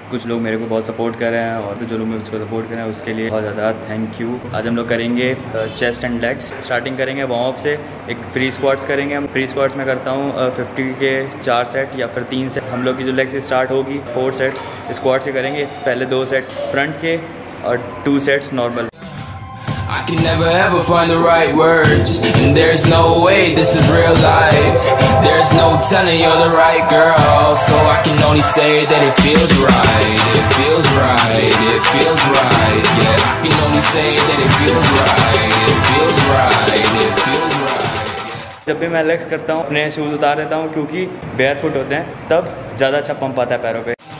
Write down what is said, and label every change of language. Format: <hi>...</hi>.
<hi>कुछ लोग मेरे को बहुत सपोर्ट कर रहे हैं, और जो लोग मुझको सपोर्ट कर रहे हैं उसके लिए बहुत ज़्यादा थैंक यू। आज हम लोग करेंगे चेस्ट एंड लेग्स, स्टार्टिंग करेंगे वार्म अप से, एक फ्री स्क्वाट्स करेंगे हम। फ्री स्क्वाट्स में करता हूँ 50 के 4 सेट या फिर 3 सेट। हम लोग की जो लेग्स स्टार्ट होगी 4 सेट्स स्क्वाट्स से करेंगे, पहले 2 सेट फ्रंट के और 2 sets normal.</hi> <en>I can never ever find the right words, and there's no way this is real life. There's no telling you're the right girl, so I can only say that it feels right. It feels right, it feels right. Yeah, I can only say that it feels right. It feels right, it feels right.</en> <hi>जब भी मैं legs करता हूँ अपने shoes उतार देता हूँ, क्योंकि बेयर फुट होते हैं तब ज्यादा अच्छा पंप आता है पैरों पे।</hi>